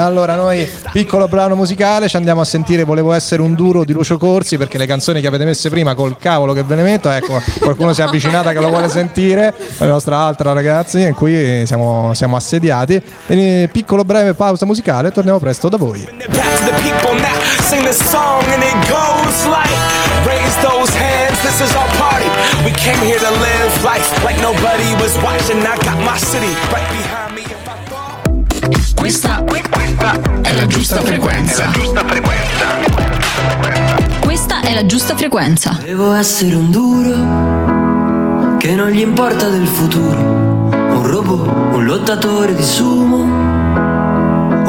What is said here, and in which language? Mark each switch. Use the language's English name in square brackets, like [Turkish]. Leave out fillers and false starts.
[Italian] Allora noi, piccolo brano musicale, ci andiamo a sentire Volevo essere un duro di Lucio Corsi, perché le canzoni che avete messe prima, col cavolo che ve ne metto, ecco, qualcuno si è avvicinata che lo vuole sentire, la nostra altra ragazzi, e qui siamo assediati. E piccolo breve pausa musicale, torniamo presto da voi. [English] Sing the song and it goes like, raise those hands, this is our party. We came here to live life like nobody was watching. I got my city right behind me. If I fall, [Italian] questa è la giusta frequenza. Questa è la giusta frequenza. Devo essere un duro che non gli importa del futuro. Un robot, un lottatore di sumo.